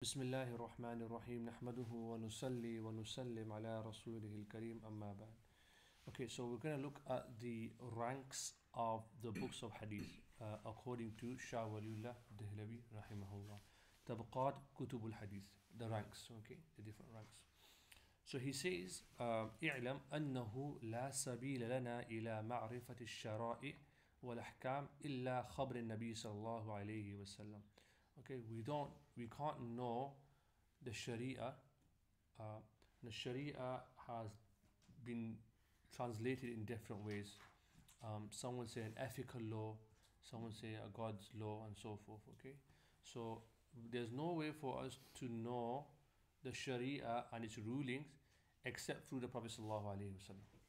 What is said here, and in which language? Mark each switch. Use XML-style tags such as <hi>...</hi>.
<ar>بسم الله الرحمن الرحيم نحمده ونصلي ونسلم على رسوله الكريم أما بعد.</ar> <en>Okay, so we're going to look at the ranks of the books of Hadith according to Shah Walīullah Dahlavi Rahimahullah. Tabqat Kutub al-Hadith, the ranks, okay, the different ranks. So he says,</en> <ar>اعلم أنه لا سبيل لنا إلى معرفة الشرائع والأحكام إلا خبر النبي صلى الله عليه وسلم.</ar> <en>Okay, we can't know the Sharia. The Sharia has been translated in different ways. Someone say an ethical law, someone say a God's law, and so forth. Okay, so there's no way for us to know the Sharia and its rulings except through the Prophet sallallahu alaihi wasallam.</en>